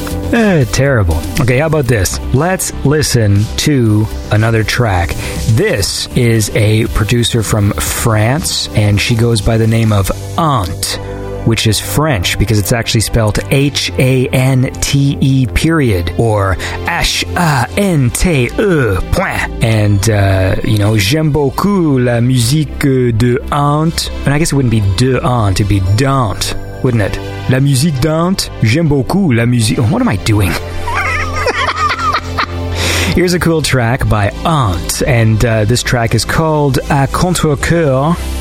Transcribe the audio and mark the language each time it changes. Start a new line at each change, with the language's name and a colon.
English: terrible. Okay, how about this? Let's listen to another track. This is a producer from France, and she goes by the name of Ant, which is French because it's actually spelled H-A-N-T-E period, or H-A-N-T-E point. And, you know,
French: j'aime beaucoup la musique de Ant.
English: And I guess it wouldn't be de Ant, it'd be d'Ant, wouldn't it?
French: La musique d'Ant, j'aime beaucoup la musique...
English: What am I doing? Here's a cool track by Ant, and this track is called A Contre-Cœur.